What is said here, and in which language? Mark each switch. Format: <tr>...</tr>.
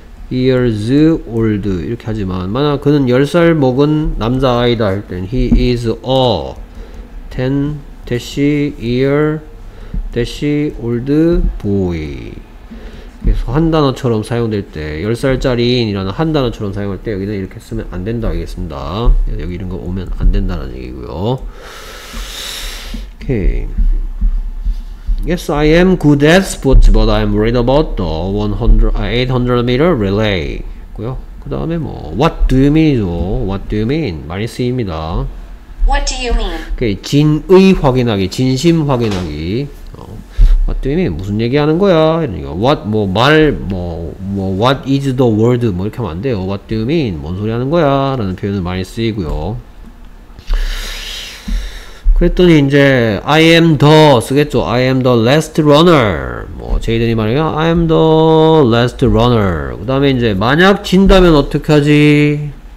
<ko>years old 이렇게 하지만 만약 그는 10살 먹은 남자아이다 할 땐</ko> <en>he is a 10-year-old boy</en> <ko>그래서 한 단어처럼 사용될 때 10살짜리인이라는 한 단어처럼 사용할 때 여기는 이렇게 쓰면 안 된다 하겠습니다. 여기 이런 거 오면 안 된다는 얘기고요. 오케이.</ko> <en>Yes, I am good at sports, but I'm worried about the 800m relay. 고요.</en> <ko>그 다음에 뭐</ko> <en>What do you mean이죠? What do you mean?</en> <ko>많이 쓰입니다.</ko> <en>What do you mean?</en> <ko>그 진의 확인하기, 진심 확인하기.</ko> <en>What do you mean?</en> <ko>무슨 얘기하는 거야? 이런 거.</ko> <en>What 뭐 말 뭐 What is the word?</en> <ko>뭐 이렇게 하면 안 돼요.</ko> <en>What do you mean?</en> <ko>뭔 소리 하는 거야? 라는 표현을 많이 쓰이고요. 그랬더니 이제 I am the 쓰겠죠.</ko> <en>I am the last runner.</en> <ko>뭐 제이든이 말해요.</ko> <en>I am the last runner.</en> <ko>그 다음에 이제 만약 진다면 어떡하지?</ko>